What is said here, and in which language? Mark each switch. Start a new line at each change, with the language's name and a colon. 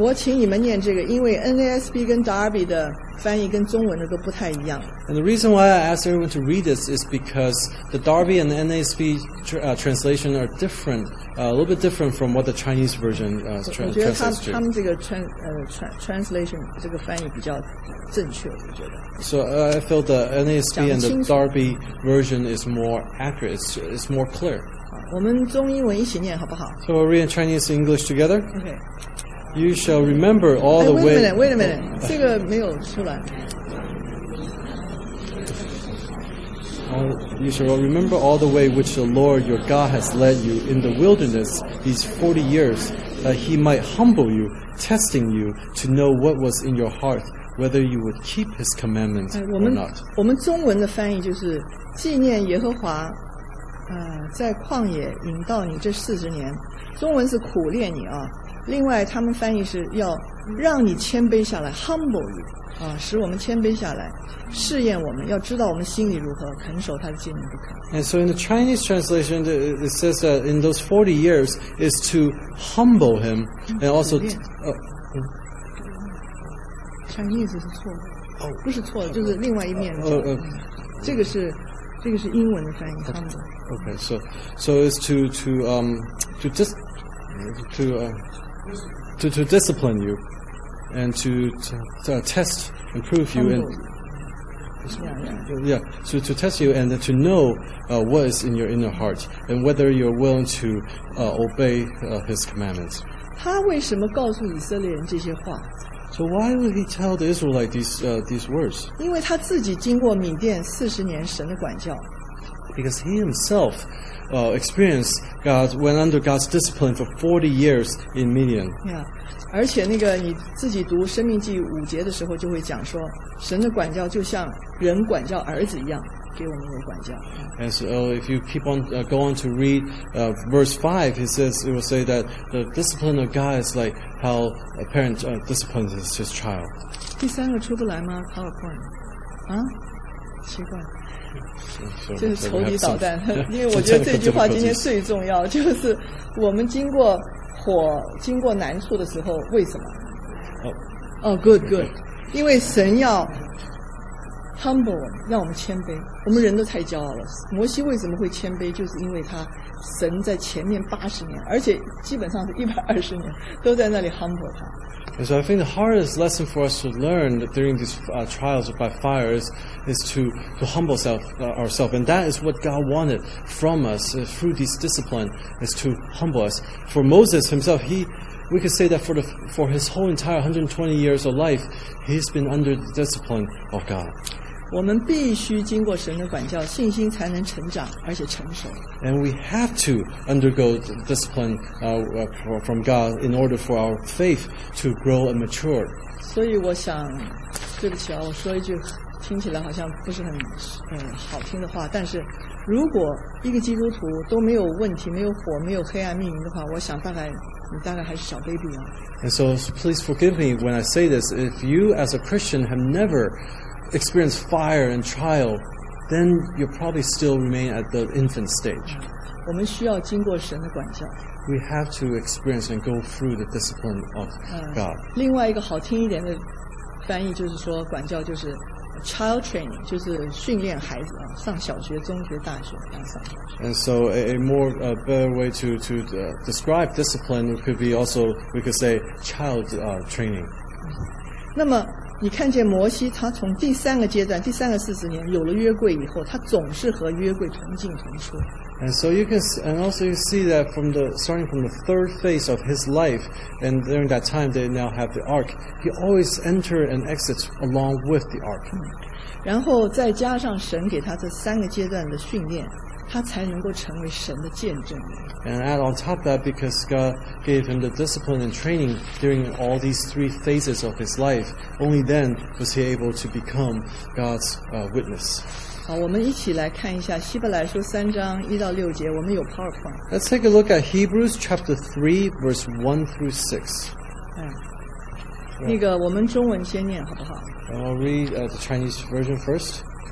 Chinese: 我请你们念这个，因为 NASB 跟 Darby 的翻译跟中文的都不太一样。
English: And the reason why I asked everyone to read this is because the Darby and the NASB translation are different, a little bit different from what the Chinese version translates to.
Chinese: 我觉得他们这个translation 这个翻译比较正确，我觉得。
English: So I feel the NASB and the Darby version is more accurate. It's more clear.
Chinese: 我们中英文一起念好不好
English: So we'll read in Chinese and English together. Okay. You shall remember all the way. Wait a minute.
Chinese: 这个没有出来。
English: You shall remember all the way which the Lord your God has led you in the wilderness these 40 years, that he might humble you, testing you to know what was in your heart, whether you would keep his commandments or not.
Chinese: 我们中文的翻译就是纪念耶和华在旷野引导你这四十年，中文是苦练你啊。另外他们翻译是要让你谦卑下来
English: humble you
Chinese: 啊，使我们谦卑下来，试验我们，要知道我们心里如何，肯守他的诫命不肯。
English: And so in the Chinese translation it says that in those 40 years is to humble him and also
Chinese: Chinese 是错的、oh, 不是错的、oh, 就是另外一面、 oh, oh, 这个是英文的翻译 humble。
English: Okay, so it's to discipline you and to test and prove you and to test you and to know what is in your inner heart and whether you're willing to obey his commandments.
Chinese: 他为什么告诉以色列人这些话？
English: So why would he tell the Israelites these words?
Chinese: 因为他自己经过米甸四十年神的管教。
English: Because he himself experienced God, went under God's discipline for 40 years in Midian. Yeah.
Chinese: 而且那个你自己读生命记五节的时候就会讲说，神的管教就像人管教儿子一样，给我们有管教。
English: And so if you keep on, go on to read verse 5, it will say that the discipline of God is like how a parent disciplines his child.
Chinese: 第三个出不来吗 ?PowerPoint? 啊？奇怪。这是投机导弹，因为我觉得这句话今天最重要，就是我们经过火、经过难处的时候，为什么？哦、
English: good, good，
Chinese: 因为神要 humble 我们，让我们谦卑。我们人都太骄傲了。摩西为什么会谦卑？就是因为他神在前面八十年，而且基本上是120年，都在那里 humble 他。
English: And so I think the hardest lesson for us to learn during these trials by fire is to humble ourselves. And that is what God wanted from us through this discipline, is to humble us. For Moses himself, we could say that for his whole entire 120 years of life, he's been under the discipline of God.
Chinese: 我们必须经过神的管教，信心才能成长，而且成熟。
English: And we have to undergo the discipline from God in order for our faith to grow and mature.
Chinese: 所以我想，对不起啊，我说一句听起来好像不是很好听的话，但是如果一个基督徒都没有问题，没有火，没有黑暗命运的话，我想大概你大概还是小 baby 啊。
English: And so please forgive me when I say this. If you as a Christian have never experience fire and trial, then you'll probably still remain at the infant stage. We have to experience and go through the discipline of God.
Chinese: 另外一个好听一点的翻译就是说，管教就是
English: child training,
Chinese: 就是训练孩子啊，上小学、中学、大学，这样上。
English: And so a better way to describe discipline could be also, we could say child training.
Chinese: 那么你看见摩西他从第三个阶段第三个四十年有了约柜以后，他总是和约柜同进同出。
English: And so you can see, and also you see that from the starting from the third phase of his life, and during that time they now have the ark, he always enter and exits along with the ark.
Chinese: 然后再加上神给他这三个阶段的训练，他才能够成为神的见证人。
English: And add on top of that, because God gave him the discipline and training during all these three phases of his life, only then was he able to become God's witness.
Chinese: 好，我们一起来看一下希伯来书三章一到六节，我们有 PowerPoint。
English: Let's take a look at Hebrews chapter 3, verse 1 through 6.
Chinese: 那个我们中文先念好不好？
English: I'll read the Chinese version first.